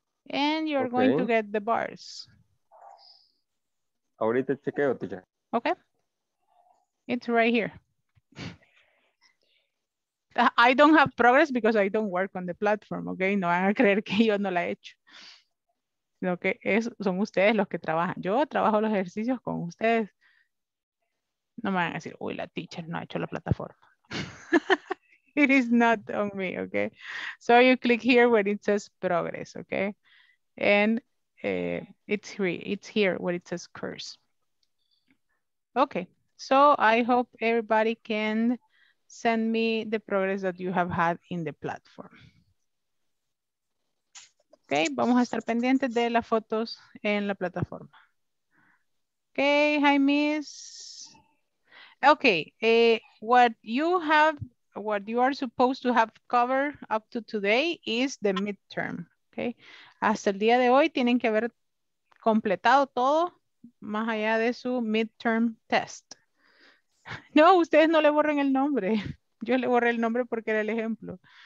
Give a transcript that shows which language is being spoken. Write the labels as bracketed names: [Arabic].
[English] And you're okay. Going to get the bars. [Spanish] Ahorita chequeo, teacher. [English] Okay. It's right here. I don't have progress because I don't work on the platform, okay? [Spanish] No van a creer que yo no la he hecho. Lo que es, son ustedes los que trabajan. Yo trabajo los ejercicios con ustedes. No me van a decir, uy, la teacher no ha hecho la plataforma. [English] It is not on me, okay? So you click here where it says progress, okay? And it's here where it says course. Okay, so I hope everybody can send me the progress that you have had in the platform. [Spanish] Okay, vamos a estar pendientes de las fotos en la plataforma. [English] Okay, hi miss. Okay, what you are supposed to have covered up to today is the midterm. [Spanish] Okay, hasta el día de hoy tienen que haber completado todo más allá de su midterm test. No, ustedes no le borren el nombre. Yo le borré el nombre porque era el ejemplo.